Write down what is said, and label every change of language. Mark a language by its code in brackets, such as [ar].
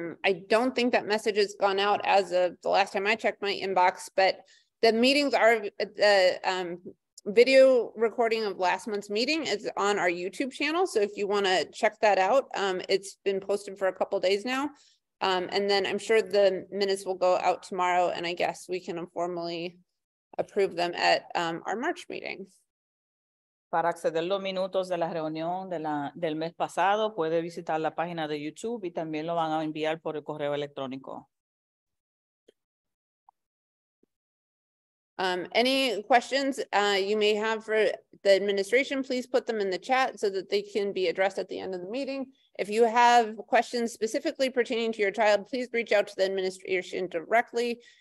[en] I don't think that message has gone out as of the last time I checked my inbox, but the meetings are, the video recording of last month's meeting is on our YouTube channel. So if you want to check that out, it's been posted for a couple of days now. And then I'm sure the minutes will go out tomorrow, and I guess we can informally approve them at our March meeting. [es] Para acceder los minutos de la reunión del mes pasado, puede visitar la página de YouTube y también lo van a enviar por el correo electrónico. [en] Any questions you may have for the administration, please put them in the chat so that they can be addressed at the end of the meeting. If you have questions specifically pertaining to your child, please reach out to the administration directly.